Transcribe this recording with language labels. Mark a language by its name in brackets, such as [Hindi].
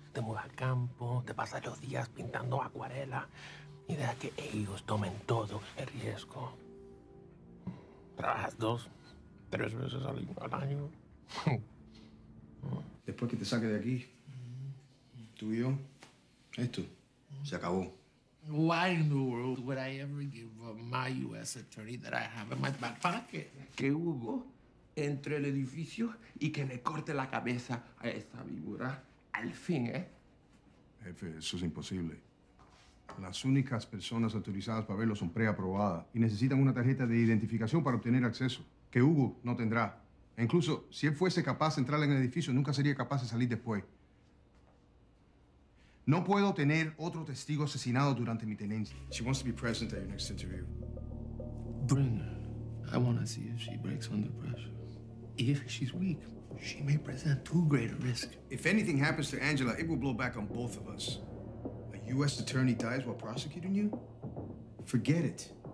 [Spanish] Te mudas al campo, te pasas los días pintando acuarela y deja que ellos tomen todo el riesgo. Trabajas 2-3 veces al año. Después que te saque de aquí, tú y yo, esto se acabó. [English] Why in the world would I ever give up my U.S. attorney that I have in my back pocket? [Spanish] Que Hugo entre el edificio y que le corte la cabeza a esa víbora. Al fin, ¿eh? Jefe, eso es imposible. Las únicas personas autorizadas para verlo son preaprobadas y necesitan una tarjeta de identificación para obtener acceso, que Hugo no tendrá. E incluso si él fuese capaz de entrar en el edificio, nunca sería capaz de salir después. No puedo tener otro testigo asesinado durante mi tenencia. [English] She wants to be present at your next interview. Bring her. I want to see if she breaks under pressure. If she's weak, she may present too great a risk. If anything happens to Angela, it will blow back on both of us. A U.S. attorney dies while prosecuting you? Forget it.